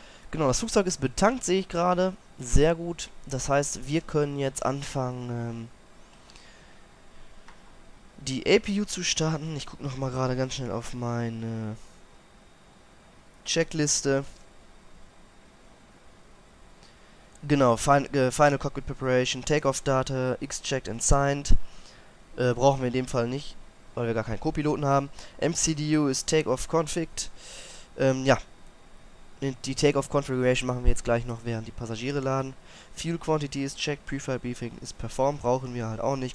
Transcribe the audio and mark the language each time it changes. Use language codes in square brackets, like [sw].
[de] Genau, das Flugzeug ist betankt, sehe ich gerade. Sehr gut. Das heißt, wir können jetzt anfangen, die APU zu starten. Ich gucke nochmal gerade ganz schnell auf meine Checkliste. [en] Genau, Final Cockpit Preparation, Takeoff Data, X-Checked and Signed. [de] Brauchen wir in dem Fall nicht, weil wir gar keinen Co-Piloten haben. MCDU ist [en] Takeoff Configured. [de] Ja. Die Takeoff Configuration machen wir jetzt gleich noch, während die Passagiere laden. [en] Fuel Quantity [de] ist checked. [en] Pre-Flight Briefing [de] ist [en] performed. [de] Brauchen wir halt auch nicht.